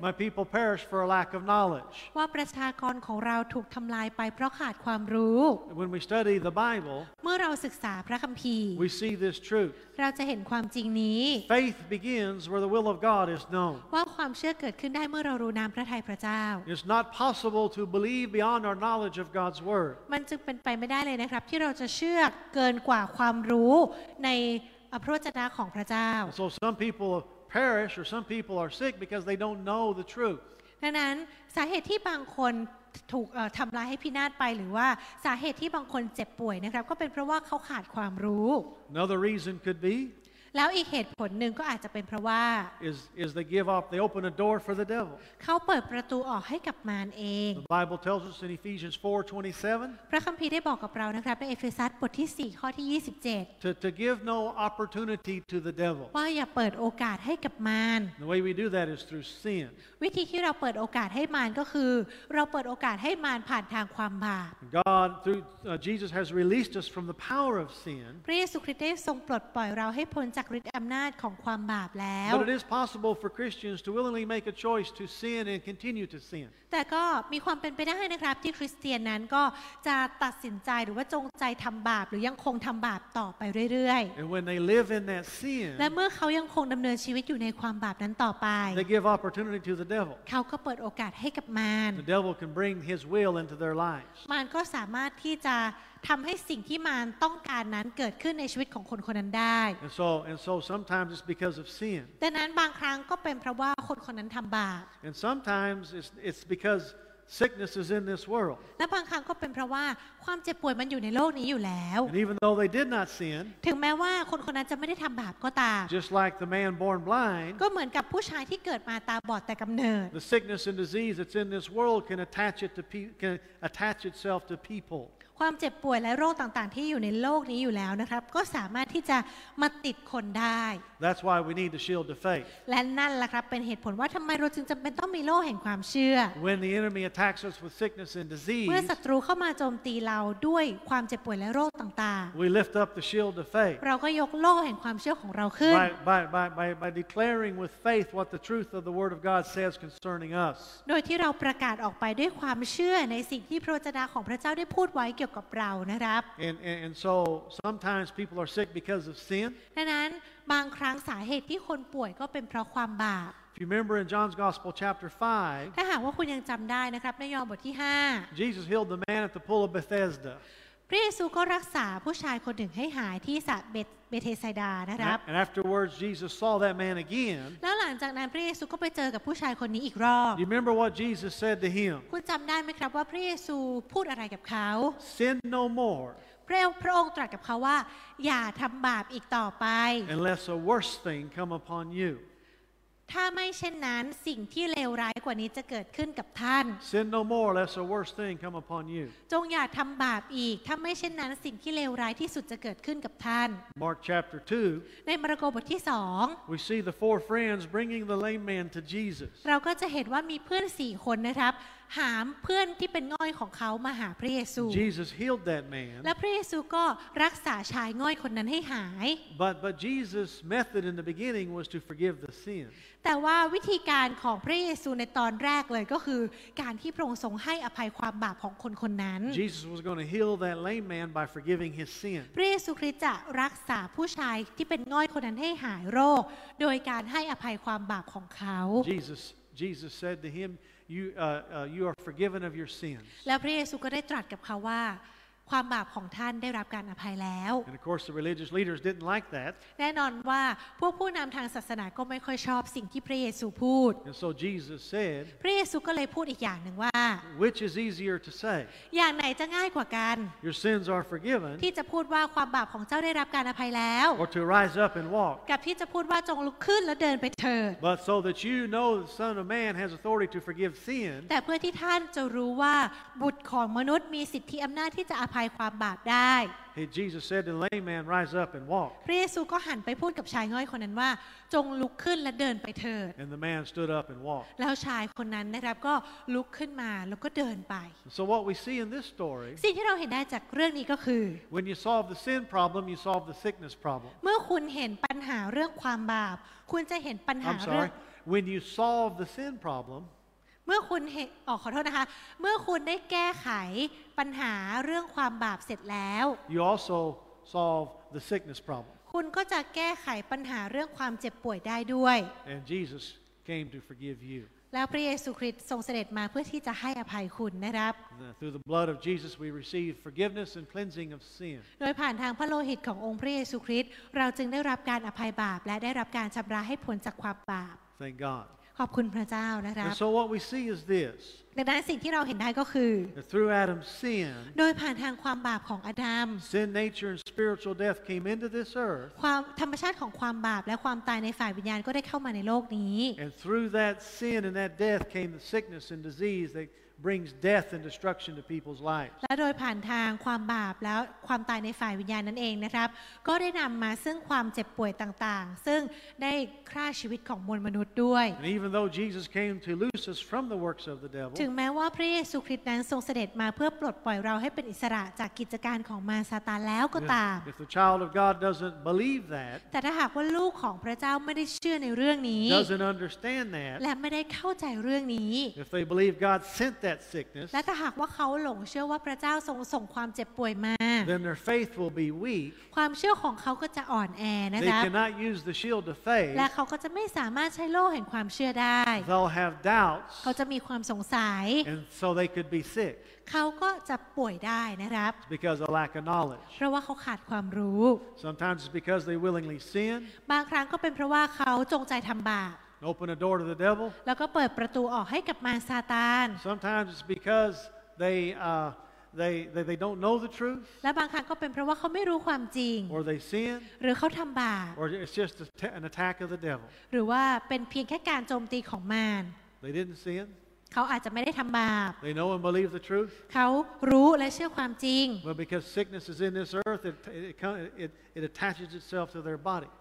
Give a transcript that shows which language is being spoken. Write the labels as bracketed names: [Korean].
[English] My people perish for a lack of knowledge. [Thai] ว่าประชากรของเราถูกทำลายไปเพราะขาดความรู้ [English] When we study the Bible. [Thai] เมื่อเราศึกษาพระคัมภีร์ [English] We see this truth. [Thai] เราจะเห็นความจริงนี้ [English] Faith begins where the will of God is known. [Thai] ว่าความเชื่อเกิดขึ้นได้เมื่อเรารู้น้ำพระทัยพระเจ้า [English] It's not possible to believe beyond our knowledge of God's word. [Thai] มันจึงเป็นไปไม่ได้เลยนะครับที่เราจะเชื่อเกินกว่าความรู้ในพระวจนะของพระเจ้า [English] So some people perish or some people are sick because they don't know the truth. [Thai] ดังนั้นสาเหตุที่บางคนถูกทำลายให้พินาศไปหรือว่าสาเหตุที่บางคนเจ็บป่วยนะครับก็เป็นเพราะว่าเขาขาดความรู้ [English] Another reason could be [Thai] แล้วอีกเหตุผลหนึ่งก็อาจจะเป็นเพราะว่า [English] is they give up they open a door for the devil [Thai] เขาเปิดประตูออกให้กับมารเอง [English] The Bible tells us in Ephesians 4:27 [Thai] พระคัมภีร์ได้บอกกับเรานะครับในเอเฟซัสบทที่4ข้อที่27 [English] to give no opportunity to the devil [Thai] ว่าอย่าเปิดโอกาสให้กับมาร [English] The way we do that is through sin [Thai] วิธีที่เราเปิดโอกาสให้มารก็คือเราเปิดโอกาสให้มารผ่านทางความบาป [English] God through Jesus has released us from the power of sin [Thai] พระเยซูคริสต์ได้ทรงปลดปล่อยเราให้พ้นจากฤทธิ์อำนาจของความบาปแล้ว [English] But it is possible for Christians to willingly make a choice to sin and continue to sin. [Thai] แต่ก็มีความเป็นไปได้นะครับที่คริสเตียนนั้นก็จะตัดสินใจหรือว่าจงใจทำบาปหรือยังคงทำบาปต่อไปเรื่อย [English] ๆ And when they live in that sin, [Thai] และเมื่อเขายังคงดำเนินชีวิตอยู่ในความบาปนั้นต่อไป [English] they give opportunity to the devil. [Thai] เขาก็เปิดโอกาสให้กับมาร [English] The devil can bring his will into their lives. [Thai] มารก็สามารถที่จะทำให้สิ่งที่มารต้องการนั้นเกิดขึ้นในชีวิตของคนคนนั้นได้ [English] and so sometimes it's because of sin [Thai] ดังนั้นบางครั้งก็เป็นเพราะว่าคนคนนั้นทำบาป [English] and sometimes it's becauseSickness is in this world. [Thai] และบางครั้งก็เป็นเพราะว่าความเจ็บป่วยมันอยู่ในโลกนี้อยู่แล้ว [English] And even though they did not sin, [Thai] ถึงแม้ว่าคนคนนั้นจะไม่ได้ทำบาปก็ตาม [English] Just like the man born blind, [Thai] ก็เหมือนกับผู้ชายที่เกิดมาตาบอดแต่กำเนิด [English] The sickness and disease that's in this world can attach itself to people. [Thai] ความเจ็บป่วยและโรคต่างๆที่อยู่ในโลกนี้อยู่แล้วนะครับก็สามารถที่จะมาติดคนได้ [English] That's why we need the shield of faith [Thai] และนั่นล่ะครับเป็นเหตุผลว่าทำไมเราจึงจำเป็นต้องมีโล่แห่งความเชื่อ [English] When the enemy attacks us with sickness and disease [Thai] เมื่อศัตรูเข้ามาโจมตีเราด้วยความเจ็บป่วยและโรคต่าง [English] ๆ We lift up the shield of faith [Thai] เราก็ยกโล่แห่งความเชื่อของเราขึ้น [English] by declaring with faith what the truth of the word of God says concerning us [Thai] โดยที่เราประกาศออกไปด้วยความเชื่อในสิ่งที่พระวจนะของพระเจ้าได้พูดไว้กับเรานะครับ [English] and so sometimes people are sick because of sin [Thai] ดังนั้นบางครั้งสาเหตุที่คนป่วยก็เป็นเพราะความบาป [English] If you remember in John's Gospel chapter 5 [Thai] ถ้าหากว่าคุณยังจำได้นะครับในยอห์นบทที่5 [English] Jesus healed the man at the pool of Bethesda [Thai] พระเยซูก็รักษาผู้ชายคนหนึ่งให้หายที่สระเบเธสไซดานะครับ [English] and afterwards Jesus saw that man again [Thai] แล้วหลังจากนั้นพระเยซูก็ไปเจอกับผู้ชายคนนี้อีกรอบ [English] you remember what Jesus said to him [Thai] คุณจำได้ไหมครับว่าพระเยซูพูดอะไรกับเขา [English] sin no more [Thai] พระองค์ตรัสกับเขาว่าอย่าทำบาปอีกต่อไป [English] unless a worse thing come upon you [Thai] ถ้าไม่เช่นนั้นสิ่งที่เลวร้ายกว่านี้จะเกิดขึ้นกับท่าน [English] Sin no more, lest a worse thing come upon you. [Thai] จงอย่าทำบาปอีกถ้าไม่เช่นนั้นสิ่งที่เลวร้ายที่สุดจะเกิดขึ้นกับท่าน [English] Mark chapter 2. [Thai] ในมาระโกบทที่2 [English] We see the four friends bringing the lame man to Jesus. [Thai] เราก็จะเห็นว่ามีเพื่อน4คนนะครับหามเพื่อนที่เป็นง่อยของเขามาหาพระเยซู [English] Jesus healed that man [Thai] และพระเยซูก็รักษาชายง่อยคนนั้นให้หาย [English] But Jesus' method in the beginning was to forgive the sin [Thai] แต่ว่าวิธีการของพระเยซูในตอนแรกเลยก็คือการที่พระองค์ทรงให้อภัยความบาปของคนคนนั้น [English] Jesus was going to heal that lame man by forgiving his sin [Thai] พระเยซูคริสต์จะรักษาผู้ชายที่เป็นง่อยคนนั้นให้หายโรคโดยการให้อภัยความบาปของเขา [English] Jesus said to himYou are forgiven of your sins. [Thai] แล้วพระเยซูก็ได้ตรัสกับเขาว่าความบาปของท่านได้รับการอภัยแล้ว [English] And of course the religious leaders didn't like that. [Thai] แน่นอนว่าพวกผู้นำทางศาสนาก็ไม่ค่อยชอบสิ่งที่พระเยซูพูด [English] And so Jesus said. [Thai] พระเยซูก็เลยพูดอีกอย่างหนึ่งว่า [English] Which is easier to say? [Thai] อย่างไหนจะง่ายกว่ากัน [English] Your sins are forgiven. [Thai] ที่จะพูดว่าความบาปของเจ้าได้รับการอภัยแล้ว [English] Or to rise up and walk. [Thai] กับที่จะพูดว่าจงลุกขึ้นแล้วเดินไปเถิด [English] But so that you know the Son of Man has authority to forgive sin. [Thai] แต่เพื่อที่ท่านจะรู้ว่าบุตรของมนุษย์มีสิทธิอำนาจที่จะอภัยความบาปได้ [English] He Jesus said to the lame man, "Rise up and walk." [Thai] พระเยซูก็หันไปพูดกับชายง่อยคนนั้นว่าจงลุกขึ้นและเดินไปเถิด [English] And the man stood up and walked. [Thai] แล้วชายคนนั้นนะครับก็ลุกขึ้นมาแล้วก็เดินไป [English] So what we see in this story. [Thai] สิ่งที่เราเห็นได้จากเรื่องนี้ก็คือ [English] When you solve the sin problem, you solve the sickness problem. [Thai] เมื่อคุณเห็นปัญหาเรื่องความบาปคุณจะเห็นปัญหาเรื่อง [English] I'm sorry. When you solve the sin problem. [Thai] เมื่อคุณเห็นขอโทษนะคะเมื่อคุณได้แก้ไขปัญหาเรื่องความบาปเสร็จแล้ว [English] You also solve the sickness problem [Thai] คุณก็จะแก้ไขปัญหาเรื่องความเจ็บป่วยได้ด้วย [English] And Jesus came to forgive you [Thai] แล้วพระเยซูคริสต์ทรงเสด็จมาเพื่อที่จะให้อภัยคุณนะครับ [English] Through the blood of Jesus we receive forgiveness and cleansing of sin [Thai] โดยผ่านทางพระโลหิตขององค์พระเยซูคริสต์เราจึงได้รับการอภัยบาปและได้รับการชำระให้พ้นจากความบาป [English] Thank God [Thai] ขอบคุณพระเจ้านะครับ [English] And so what we see is this [Thai] ในด้านสิ่งที่เราเห็นได้ก็คือ [English] Through Adam's sin [Thai] โดยผ่านทางความบาปของอาดัม [English] Sin nature and spiritual death came into this earth [Thai] ความธรรมชาติของความบาปและความตายในฝ่ายวิญญาณก็ได้เข้ามาในโลกนี้ [English] And through that sin and that death came the sickness and disease that brings death and destruction to people's lives [Thai] และโดยผ่านทางความบาปแล้วความตายในฝ่ายวิญญาณนั่นเองนะครับก็ได้นำมาซึ่งความเจ็บป่วยต่างๆซึ่งได้ฆ่าชีวิตของมวลมนุษย์ด้วย [English] And even though Jesus came to loose us from the works of the devil [Thai] ถึงแม้ว่าพระเยซูคริสต์นั้นทรงเสด็จมาเพื่อปลดปล่อยเราให้เป็นอิสระจากกิจการของมารซาตานแล้วก็ตาม [English] If the child of God doesn't believe that [Thai] แต่ถ้าหากว่าลูกของพระเจ้าไม่ได้เชื่อในเรื่องนี้ [English] doesn't understand that [Thai] และไม่ได้เข้าใจเรื่องนี้ [English] If they believe God sentThat sickness, [Thai] และถ้าหากว่าเขาหลงเชื่อว่าพระเจ้าทรงส่งความเจ็บป่วยมา [English] then their faith will be weak [Thai] ความเชื่อของเขาก็จะอ่อนแอนะครับ [English] they cannot use the shield of faith [Thai] และเขาก็จะไม่สามารถใช้โล่แห่งความเชื่อได้ [English] they'll have doubts [Thai] เขาจะมีความสงสัย [English] and so they could be sick [Thai] เขาก็จะป่วยได้นะครับ [English] because of lack of knowledge [Thai] เพราะว่าเขาขาดความรู้ [English] sometimes it's because they willingly sin [Thai] บางครั้งก็เป็นเพราะว่าเขาจงใจทำบาป [English] Open a door to the devil. [Thai] แล้วก็เปิดประตูออกให้กับมารซาตาน [English] Sometimes it's because they don't know the truth. [Thai] และบางครั้งก็เป็นเพราะว่าเขาไม่รู้ความจริง [English] Or they sin. [Thai] หรือเขาทำบาป [English] Or it's just an attack of the devil. [Thai] หรือว่าเป็นเพียงแค่การโจมตีของมาร [English] They didn't sin. [Thai] เ ขาอาจจะไม่ได้ทำบาป [English] They know and believe the truth [Thai] เขารู้และเชื่อความจริง [English] Well because sickness is in this earth it attaches itself to their body